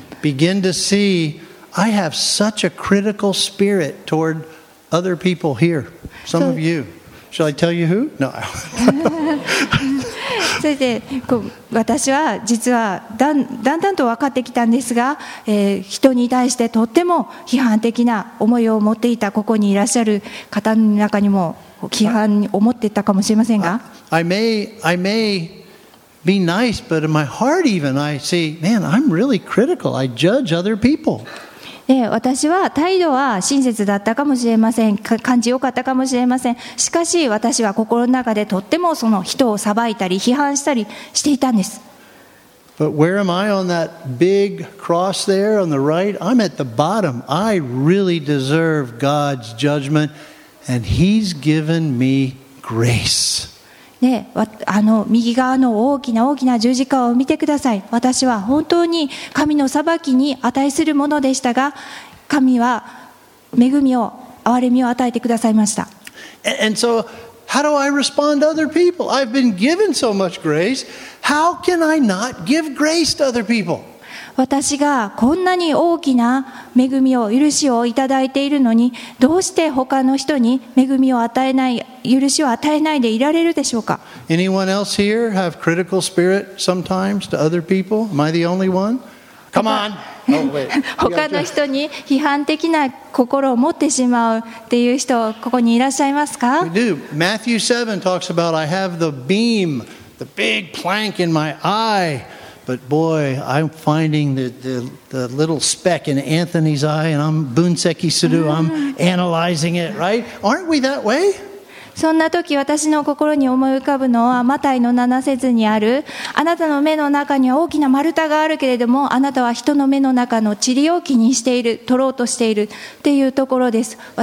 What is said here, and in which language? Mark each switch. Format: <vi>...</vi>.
<en>Begin to see, I have such a critical spirit toward other people here, some of you. Shall I tell you who? No.</en> <ja>それで、私は実はだんだんと分かってきたんですが、人に対してとっても批判的な思いを持っていた、ここにいらっしゃる方の中にも批判を持っていたかもしれませんが。</ja> <en>I may be nice, but in my heart even I see, man, I'm really critical. I judge other people.</en> <ja>私は態度は親切だったかもしれません、感じよかったかもしれません、しかし私は心の中でとってもその人を裁いたり批判したりしていたんです。</ja> <en>But where am I on that big cross there on the right? I'm at the bottom. I really deserve God's judgment, and He's given me grace.</en> <ja>ね、あの右側の大きな大きな十字架を見てください。私は本当に神の裁きに値するものでしたが、神は恵みを、憐れみを与えてくださいました。</ja> <en>And so, how do I respond to other people? I've been given so much grace. How can I not give grace to other people?</en> <ja>私がこんなに大きな恵みを許しをいただいているのに、どうして他の人に恵みを与えない、許しを与えないでいられるでしょうか。</ja> <en>Anyone else here have critical spirit sometimes to other people? Am I the only one? Come on! Oh, wait.</en> <ja>他の人に批判的な心を持ってしまうっていう人、ここにいらっしゃいますか。</ja> <en>We do. Matthew 7 talks about I have the beam, the big plank in my eye. But boy, I'm finding the little speck in Anthony's eye, and I'm</en> <ja>bunseki sudo.</ja> <en>I'm analyzing it, right? Aren't we that way?</en> <ja>そんな時、私の心に思い浮かぶのはマタイの7節にある、あなたの目の中には大きな丸太があるけれども、あなたは人の目の中の塵を気にしている、取ろうとしているっていうところです。</ja>